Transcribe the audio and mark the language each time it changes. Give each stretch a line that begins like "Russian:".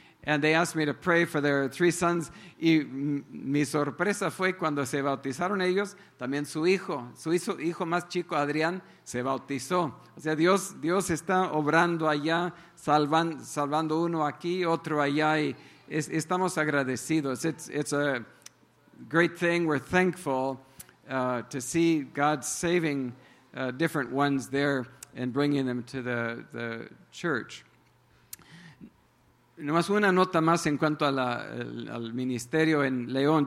English: And they asked me to pray for their three sons.
Spanish: Y mi sorpresa fue cuando se bautizaron ellos, también su hijo más chico, Adrián, se bautizó. O sea, Dios está obrando allá, salvando uno aquí, otro allá, y estamos agradecidos.
English: It's a great thing. We're thankful to see God saving different ones there and bringing them to the church.
Spanish: Nomás una nota más en cuanto al ministerio en León.